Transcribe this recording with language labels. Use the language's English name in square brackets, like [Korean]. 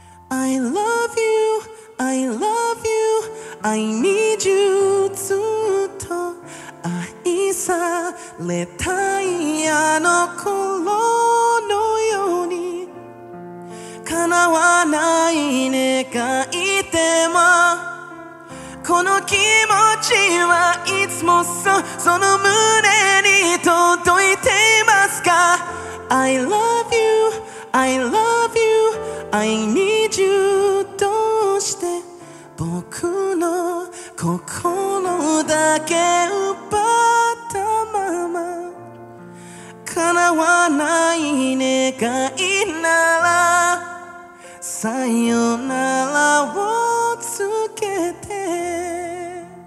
[English] I love you, I love you, I need you. [Japanese] ずっと愛されたいあの頃のように、叶わない願いでも、この気持ちはいつもその胸に届いていますか。 [English] I love you, I love you, I need you. [Japanese] どうして僕の心だけ奪ったまま、叶わない願いならさよならをつけて。